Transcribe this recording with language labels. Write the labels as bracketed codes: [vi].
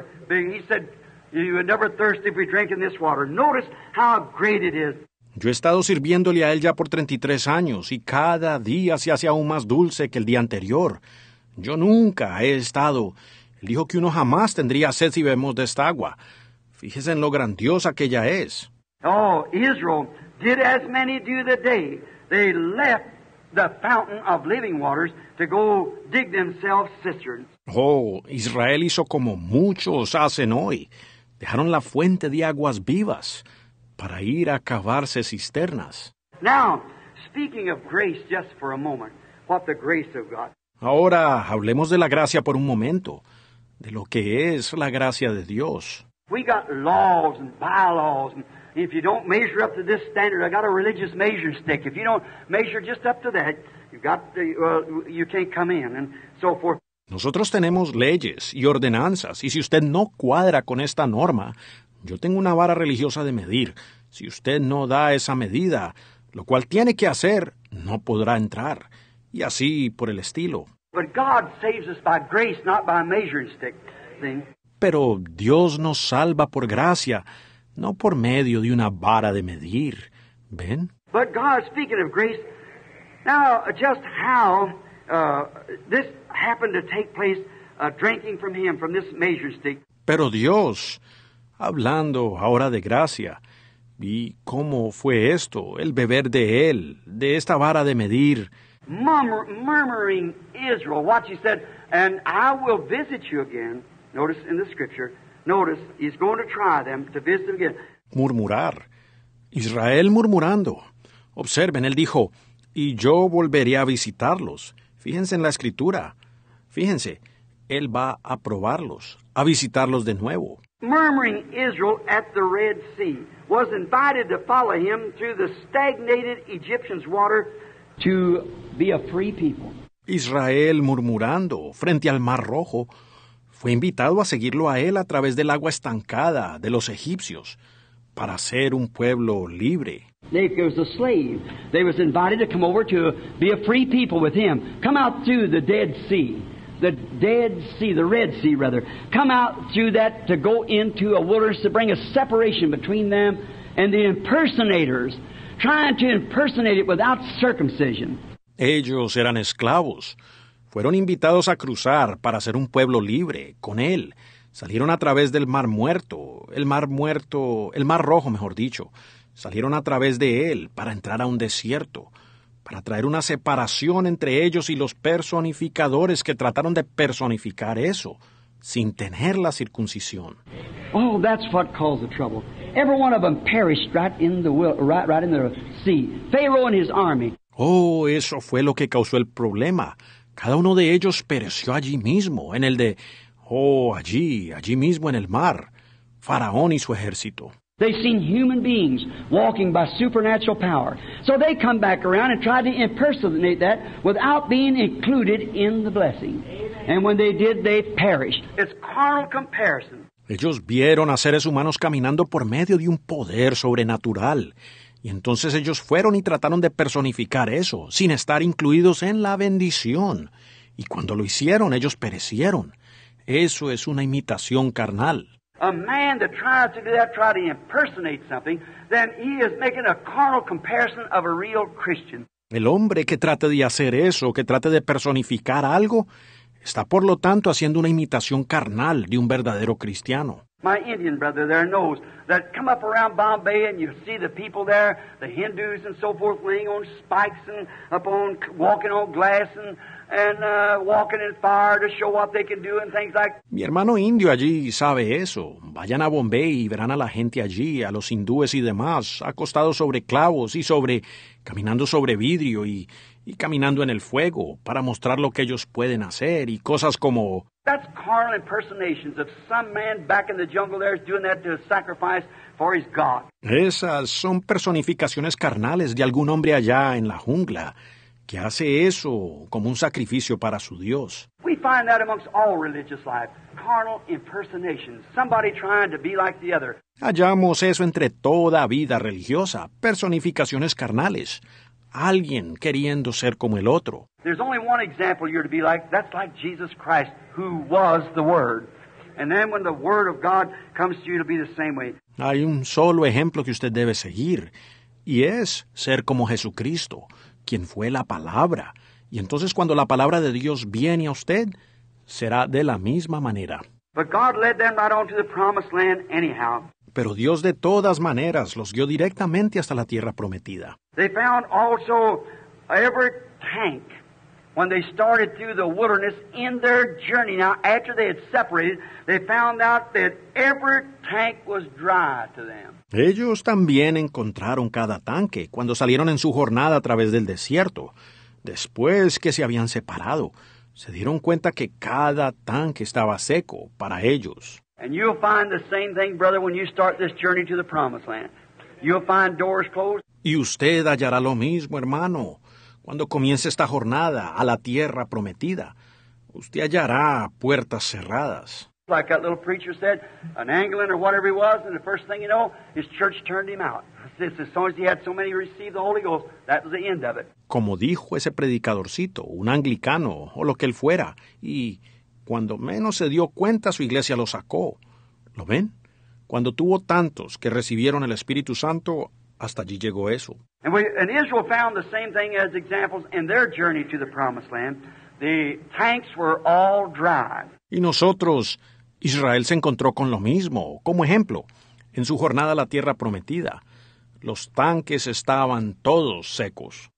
[en] He said, you would never thirst if you drank in this water. Notice how great it is. [es] Yo he estado sirviéndole a él ya por 33 años y cada día se hace aún más dulce que el día anterior. Yo nunca he estado. Él dijo que uno jamás tendría sed si bebemos de esta agua. Fíjese en lo grandiosa que ella es. [en] Oh, Israel did as many do the day. They left the fountain of living waters to go dig themselves cisterns. [es] Oh, Israel hizo como muchos hacen hoy. Dejaron la fuente de aguas vivas para ir a cavarse cisternas. [en] Now, speaking of grace just for a moment, what the grace of God. [es] Ahora, hablemos de la gracia por un momento, de lo que es la gracia de Dios. [en] We got laws and bylaws and if you don't measure up to this standard, I got a religious measuring stick. If you don't measure just up to that, you can't come in, and so forth. [es] Nosotros tenemos leyes y ordenanzas, y si usted no cuadra con esta norma, yo tengo una vara religiosa de medir. Si usted no da esa medida, lo cual tiene que hacer, no podrá entrar. Y así por el estilo. [en] But God saves us by grace, not by a measuring stick thing. [es] Pero Dios nos salva por gracia, no por medio de una vara de medir, ¿ven? [en] But God, speaking of grace, now just how this happened to take place, drinking from him, from this measuring stick. [es] Pero Dios, hablando ahora de gracia, ¿y cómo fue esto, el beber de él, de esta vara de medir? [en] Murmuring Israel, watch, he said, and I will visit you again. Notice in the scripture. Notice, he's going to try them to visit them again. [es] Murmurar. Israel murmurando. Observen, él dijo, y yo volveré a visitarlos. Fíjense en la escritura. Fíjense, él va a probarlos, a visitarlos de nuevo. [en] Murmuring Israel at the Red Sea was invited to follow him through the stagnated Egyptians' water to be a free people. [es] Israel murmurando frente al Mar Rojo. Fue invitado a seguirlo a él a través del agua estancada de los egipcios para ser un pueblo libre. [en] They was a slave. They was invited to come over to be a free people with him. Come out through the Dead Sea. The Red Sea. Come out through that to go into a wilderness to bring a separation between them and the impersonators, trying to impersonate it without circumcision. [es] Ellos eran esclavos. Fueron invitados a cruzar para ser un pueblo libre con él. Salieron a través del Mar Muerto, el Mar Rojo, mejor dicho. Salieron a través de él para entrar a un desierto, para traer una separación entre ellos y los personificadores que trataron de personificar eso sin tener la circuncisión. [en] Oh, that's what caused the trouble. Every one of them perished right in the sea. Pharaoh and his army. [es] Oh, eso fue lo que causó el problema. Cada uno de ellos pereció allí mismo, en el de, oh, allí mismo en el mar, Faraón y su ejército. [en] They've seen human beings walking by supernatural power. So they come back around and try to impersonate that without being included in the blessing. Amen. And when they did, they perished. It's carnal comparison. [es] Ellos vieron a seres humanos caminando por medio de un poder sobrenatural. Y entonces ellos fueron y trataron de personificar eso, sin estar incluidos en la bendición. Y cuando lo hicieron, ellos perecieron. Eso es una imitación carnal. [en] A man that tries to do that, try to impersonate something, then he is making a carnal comparison of a real Christian. [es] El hombre que trate de hacer eso, que trate de personificar algo, está por lo tanto haciendo una imitación carnal de un verdadero cristiano. [en] My Indian brother there knows that come up around Bombay and you see the people there, the Hindus and so forth, laying on spikes and upon walking on glass and walking in fire to show what they can do and things like [es] that. Mi hermano indio allí sabe eso. Vayan a Bombay y verán a la gente allí, a los hindúes y demás, acostados sobre clavos y sobre caminando sobre vidrio y caminando en el fuego para mostrar lo que ellos pueden hacer y cosas como... [en] That's carnal impersonations of some man back in the jungle there doing that to sacrifice for his God. [es] Esas son personificaciones carnales de algún hombre allá en la jungla que hace eso como un sacrificio para su Dios. [en] We find that amongst all religious life, carnal impersonations, somebody trying to be like the other. [es] Hallamos eso entre toda vida religiosa, personificaciones carnales, alguien queriendo ser como el otro. [en] There's only one example you're to be like, that's like Jesus Christ, who was the Word. And then when the Word of God comes to you, it'll be the same way. [es] Hay un solo ejemplo que usted debe seguir, y es ser como Jesucristo, quien fue la palabra. Y entonces cuando la palabra de Dios viene a usted, será de la misma manera. [en] But God led them right on to the promised land anyhow. [es] Pero Dios de todas maneras los guió directamente hasta la tierra prometida. [en] They found also every tank when they started through the wilderness in their journey. Now, after they had separated, they found out that every tank was dry to them. [es] Ellos también encontraron cada tanque cuando salieron en su jornada a través del desierto. Después que se habían separado, se dieron cuenta que cada tanque estaba seco para ellos. [en] And you'll find the same thing, brother, when you start this journey to the promised land. You'll find doors closed. [es] Y usted hallará lo mismo, hermano, cuando comience esta jornada a la tierra prometida. Usted hallará puertas cerradas. [en] Like that little preacher said, an Anglican or whatever he was, and the first thing you know, his church turned him out. Since as soon as he had so many received the Holy Ghost, that was the end of it. [es] Como dijo ese predicadorcito, un anglicano o lo que él fuera, y cuando menos se dio cuenta, su iglesia lo sacó. ¿Lo ven? Cuando tuvo tantos que recibieron el Espíritu Santo, hasta allí llegó eso. [en] And Israel found the same thing as examples in their journey to the promised land. The tanks were all dry. [es] Y nosotros, Israel se encontró con lo mismo, como ejemplo, en su jornada a la tierra prometida. Los tanques estaban todos secos.